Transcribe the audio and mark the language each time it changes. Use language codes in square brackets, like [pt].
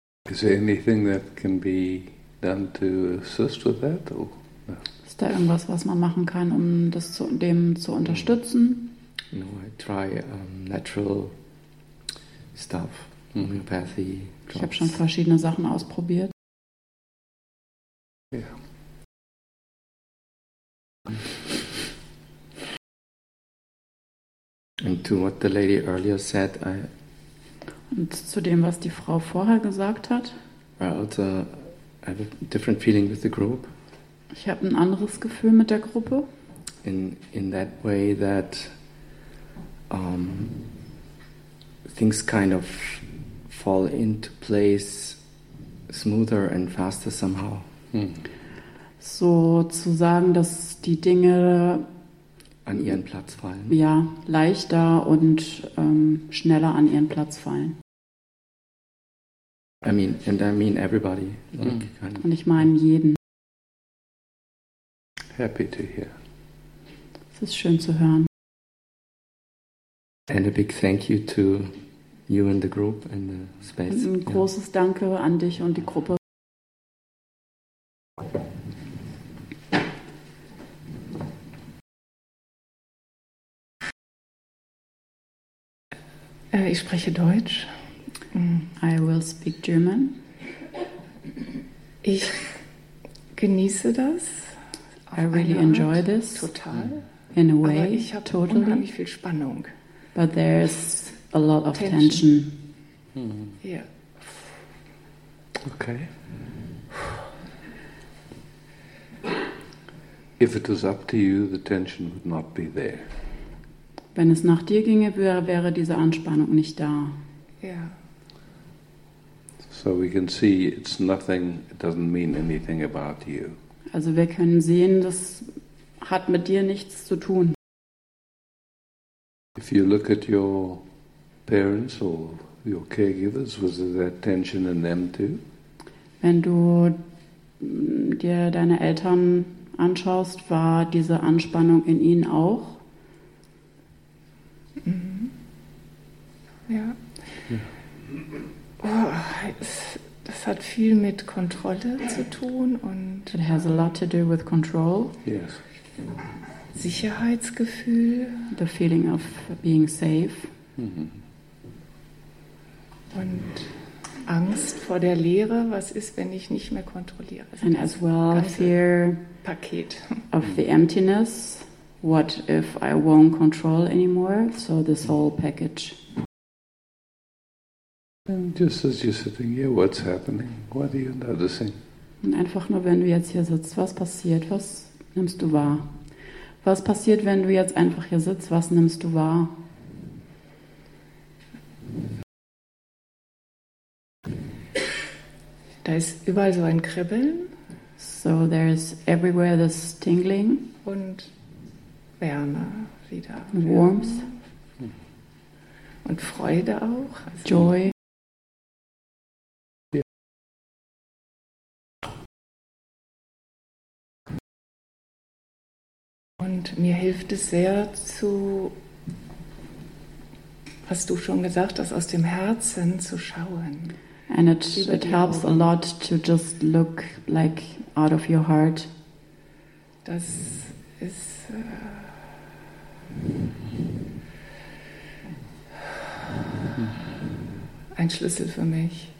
[en] Is there anything that can be done to assist with that? Or no? [de] Ist da irgendwas, was man machen kann, um das zu dem zu unterstützen? [en] No, I try natural stuff, homeopathy. [de] Ich habe schon verschiedene Sachen ausprobiert. [en] Yeah. And to what the lady earlier said, I. [de] Und zu dem, was die Frau vorher gesagt hat. [en] Also, I have a different feeling with the group. [de] Ich habe ein anderes Gefühl mit der Gruppe. [en] In that way that things kind of fall into place smoother and faster somehow. [de] So zu sagen, dass die Dinge an ihren Platz fallen. Ja, leichter und schneller an ihren Platz fallen. [en] I mean everybody. [de] Und ich meine jeden. [en] Happy to hear. [de] Es ist schön zu hören. [en] And a big thank you to you and the group and the space. [de] Ein großes Danke an dich und die Gruppe. Ich spreche Deutsch. [en] I will speak German. [de] Ich genieße das. [en] I really enjoy this. [de] Total. [en] In a way, [de] aber ich habe unheimlich viel Spannung. [en] But there is a lot of tension. Yeah. Okay. If it was up to you, the tension would not be there. [de] Wenn es nach dir ginge, wäre diese Anspannung nicht da. [en] Yeah. So we can see it's nothing, it doesn't mean anything about you. [de] Also wir können sehen, das hat mit dir nichts zu tun. [en] If you look at your parents or your caregivers, was there that tension in them too? [de] Wenn du dir deine Eltern anschaust, war diese Anspannung in ihnen auch? Ja. Oh, das hat viel mit Kontrolle zu tun und. [en] It has a lot to do with control. Yes. [de] Sicherheitsgefühl. [en] The feeling of being safe. [de] Und Angst vor der Leere. Was ist, wenn ich nicht mehr kontrolliere? [en] Also and as well, fear [de] Paket. [en] Of the emptiness. What if I won't control anymore? So this whole package. And just as you're sitting here, what's happening? What are you noticing? [de] Und einfach nur, wenn du jetzt hier sitzt, was passiert? Was nimmst du wahr? Was passiert, wenn du jetzt einfach hier sitzt? Was nimmst du wahr? Da ist überall so ein Kribbeln. [en] So there is everywhere this tingling. [de] Und Wärme wieder. [en] Warmth. [de] Und Freude auch. [en] Also Joy. [de] Und mir hilft es sehr zu, hast du schon gesagt, das aus dem Herzen zu schauen. [en] And it helps a lot to just look like out of your heart. [de] Das ist ein Schlüssel für mich.